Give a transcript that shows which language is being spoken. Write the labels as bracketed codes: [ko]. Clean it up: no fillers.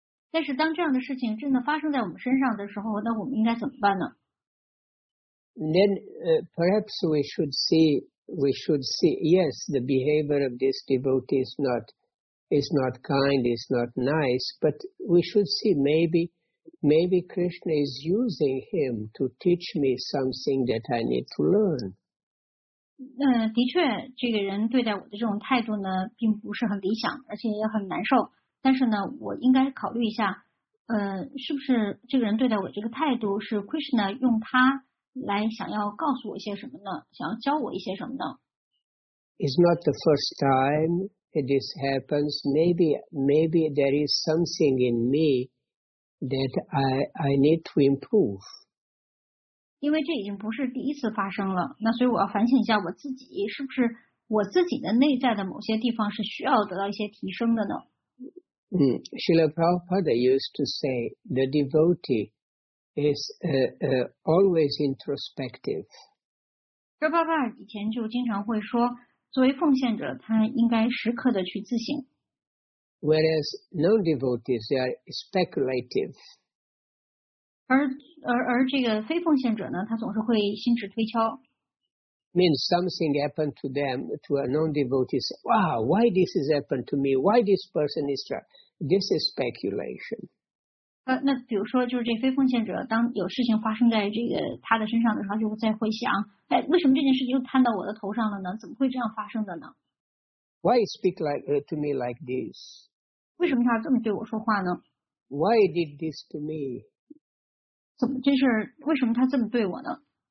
[zh] 但是当这样的事情真的发生在我们身上的时候，那我们应该怎么办呢？ [en] Then, perhaps we should see, yes, the behavior of this devotee is not kind, is not nice, but we should see maybe Krishna is using him to teach me something that I need to learn. [zh] 的确这个人对待我的这种态度呢并不是很理想，而且也很难受，但是呢我应该考虑一下，是不是这个人对待我这个态度是 Krishna 用他来想要告诉我一些什么呢，想要教我一些什么呢？ [en] It's not the first time this happens. Maybe there is something in me that I need to improve. [zh] 因为这已经不是第一次发生了，那所以我要反省一下我自己，是不是我自己的内在的某些地方是需要得到一些提升的呢？ [en] Srila Prabhupada used to say the devotee is always introspective. [zh] 这爸爸以前就经常会说，作为奉献者，他应该时刻的去自省。 [en] Whereas non-devotees are speculative. [zh] 而这个非奉献者呢，他总是会心智推敲。 [en] Means something happened to them, to a non-devotee. Wow, why this has happened to me? Why this person is struck? This is speculation. [zh] 那比如说就是这非奉献者当有事情发生在这个他的身上的时候，就会再回想，哎，为什么这件事情又摊到我的头上了呢？怎么会这样发生的呢？ [en] Why speak to me like this? [zh] 为什么他这么对我说话呢？ [en] Why did this to me? [zh] 怎么这事儿，为什么他这么对我呢？